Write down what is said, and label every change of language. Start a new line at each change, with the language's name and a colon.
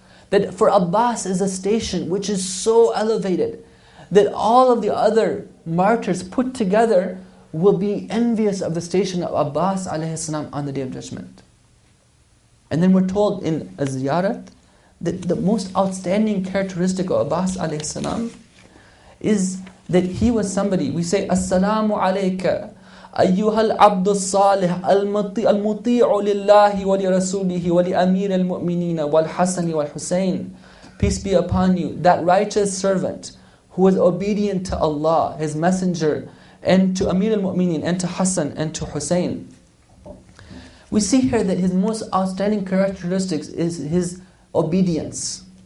English: That for Abbas is a station which is so elevated that all of the other martyrs put together will be envious of the station of Abbas alayhi salam on the Day of Judgment. And then we're told in Az-Ziyarat that the most outstanding characteristic of Abbas alayhi salam is that he was somebody, we say, As-salamu alayka,
Arabic: أيها العبد الصالح المطيع لله ولرسوله ولأمير المؤمنين والحسن والحسين.
English: Peace be upon you, that righteous servant who is obedient to Allah, His Messenger, and to Amir al-Mu'mineen, and to Hassan, and to Hussein. We see here that his most outstanding characteristics is his obedience.